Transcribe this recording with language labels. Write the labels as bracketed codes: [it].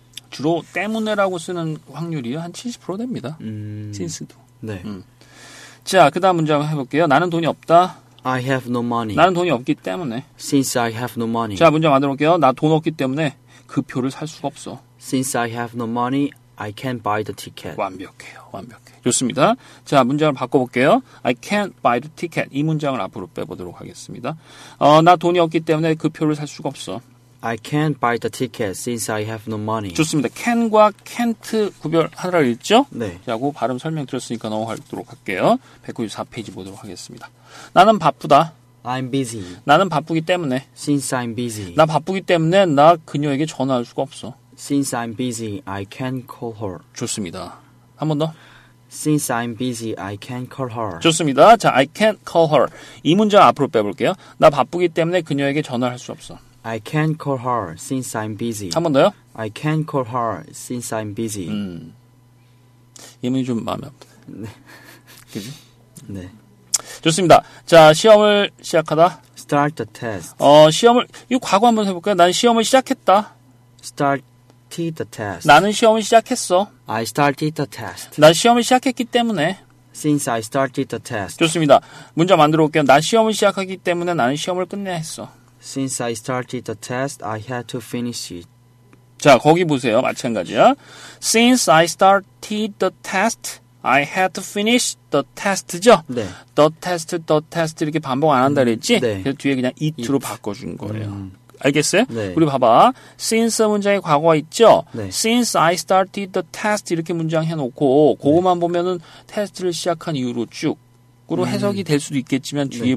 [ko] 주로 때문에라고 쓰는 확률이 한 70% 됩니다. since도. 네. 자, 그 다음 문장 해볼게요. 나는 돈이 없다. [en] I have no money. [ko] 나는 돈이 없기 때문에. [en] Since I have no money. [ko] 자, 문장 만들어볼게요. 나 돈 없기 때문에 그 표를 살 수가 없어. [en] Since I have no money, I can't buy the ticket. [ko] 완벽해요. 완벽해. 좋습니다. 자, 문장을 바꿔볼게요. [en] I can't buy the ticket. [ko] 이 문장을 앞으로 빼보도록 하겠습니다. 나 돈이 없기 때문에 그 표를 살 수가 없어. [en] I can't buy the ticket since I have no money. [ko] 좋습니다. Can과 can't 구별하라 했죠? 네. 라고 발음 설명 드렸으니까 넘어가도록 할게요. 194페이지 보도록 하겠습니다. 나는 바쁘다. [en] I'm busy. [ko] 나는 바쁘기 때문에. [en] Since I'm busy. [ko] 나 바쁘기 때문에 나 그녀에게 전화할 수가 없어. [en] Since I'm busy, I can't call her. [ko] 좋습니다. 한 번 더. [en] Since I'm busy, I can't call her. [ko] 좋습니다. 자, [en] I can't call her. [ko] 이 문장 앞으로 빼볼게요. 나 바쁘기 때문에 그녀에게 전화할 수 없어. [en] I can't call her since I'm busy. [ko] 한 번 더요? [en] I can't call her since I'm busy. [ko] 이분이 좀 마음에 안 드네. 네. 그지? 네. 좋습니다. 자, 시험을 시작하다. [en] Start the test. [ko] 시험을, 이거 과거 한번 해볼까요? 난 시험을 시작했다. [en] Started the test. [ko] 나는 시험을 시작했어. [en] I started the test. [ko] 난 시험을 시작했기 때문에. [en] Since I started the test. [ko] 좋습니다. 문제 만들어 볼게요. 난 시험을 시작하기 때문에 나는 시험을 끝내야 했어. [en] Since I started the test, I had to finish it. [ko] 자, 거기 보세요. 마찬가지야. [en] Since I started the test, I had to finish the test죠? [ko] 네. The test 이렇게 반복 안 한다 그랬지? 네. 그래서 뒤에 그냥 it로 바꿔준 거예요. 알겠어요? 네. 우리 봐봐. Since 문장에 과거가 있죠? 네. [en] Since I started the test [ko] 이렇게 문장 해놓고 그것만 네. 보면은 테스트를 시작한 이후로 쭉 으로 해석이 될 수도 있겠지만 뒤에 네.